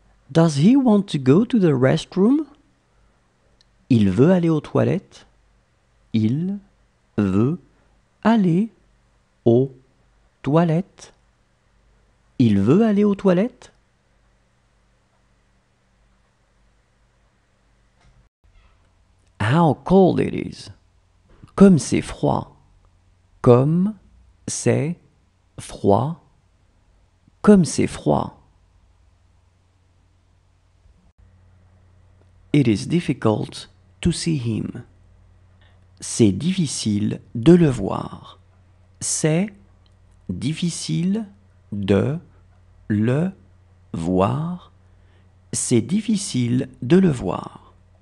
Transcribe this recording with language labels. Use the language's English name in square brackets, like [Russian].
[English] Does he want to go to the restroom? [French] Il veut aller aux toilettes. Il veut aller aux toilettes. Il veut aller aux toilettes. [English] How cold it is. [French] Comme c'est froid. Comme c'est froid. Comme c'est froid. [English] It is difficult to see him. [French] C'est difficile de le voir. C'est difficile de le voir. C'est difficile de le voir.